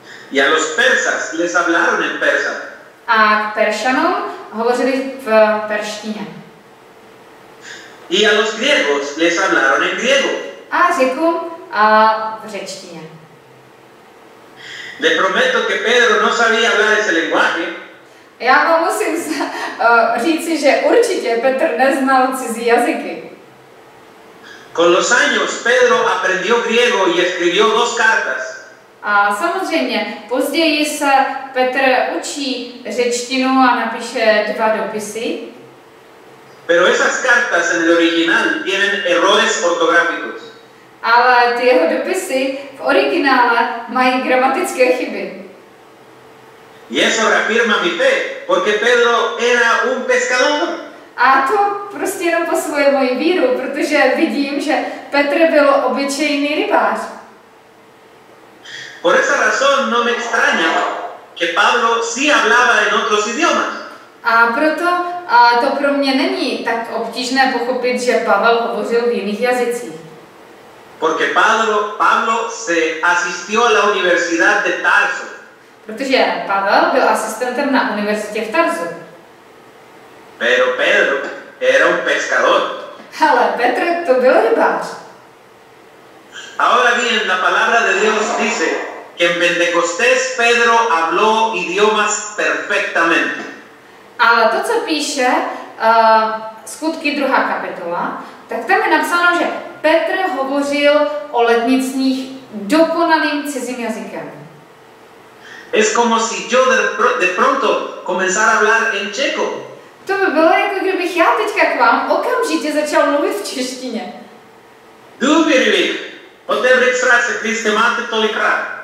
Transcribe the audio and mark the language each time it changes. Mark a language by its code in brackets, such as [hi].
[es] Y a los persas les hablaron en persa. [cs] A k Peršanům hovořili v perštině. [es] Y a los griegos les hablaron en griego. [cs] A řeku v řečtině. [es] Le prometo que Pedro no sabía hablar ese lenguaje. [cs] Já vám musím říci, že určitě Petr neznal cizí jazyky. [es] Con los años Pedro aprendió griego y escribió dos cartas. [cs] A samozřejmě později se Petr učí řečtinu a napíše dva dopisy. [es] Pero esas cartas en el original tienen errores ortográficos. [cs] Ale ty jeho dopisy v originále mají gramatické chyby. [es] Y eso reafirma mi fe, porque Pedro era un pescador. [cs] A to prostě jenom posiluje moji víru, protože vidím, že Petr byl obyčejný rybář. [es] Por esa razón no me extraña que Pablo sí hablaba en otros idiomas. [cs] A proto to pro mě není tak obtížné pochopit, že Pavel hovořil v jiných jazycích. [es] Porque Pablo se asistió a la Universidad de Tarso. [cs] Protože Pavel byl asistentem na univerzitě v Tarsu. [es] Pero Pedro era un pescador. [cs] Ale Petr to byl rybář. [es] Ahora bien, la palabra de Dios dice que en Pentecostés Pedro habló idiomas perfectamente. [cs] Ale to, co píše Skutky 2. kapitola, tak tam je napsáno, že Petr hovořil o letnicích dokonalým cizím jazykem. [es] Es como si yo de pronto comenzara a hablar en checo. [cs] To by bylo, jako kdybych já teďka k vám okamžitě začal mluvit v češtině. Důvěřivých, otevřit srdce, když jste máte tolikrát.